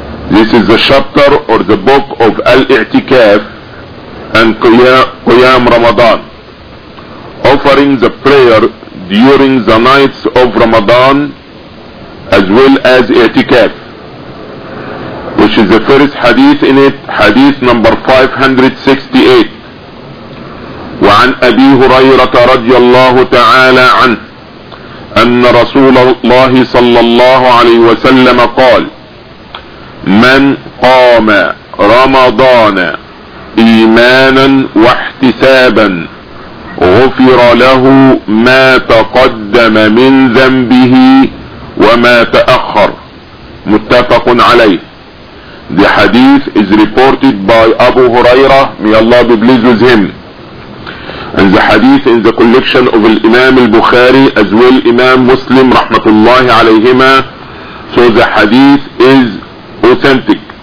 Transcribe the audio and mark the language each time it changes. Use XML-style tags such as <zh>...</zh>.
<en>This is the chapter or the book of Al-I'tikaf and Qiyam Ramadan, offering the prayer during the nights of Ramadan as well as i'tikaf, which is the first hadith in it, hadith number 568.</en> <ar>وعن أبي هريرة رضي الله تعالى عنه أن رسول الله صلى الله عليه وسلم قال من قام رمضان إيمانا واحتسابا غفر له ما تقدم من ذنبه وما تأخر. متفق عليه.</ar> <en>The hadith is reported by Abu Huraira, may Allah be pleased with him. And the hadith in the collection of Imam al-Bukhari as well Imam Muslim</en> <ar>rahmatullahi alayhima.</ar> <en>So the hadith is authentic.</en>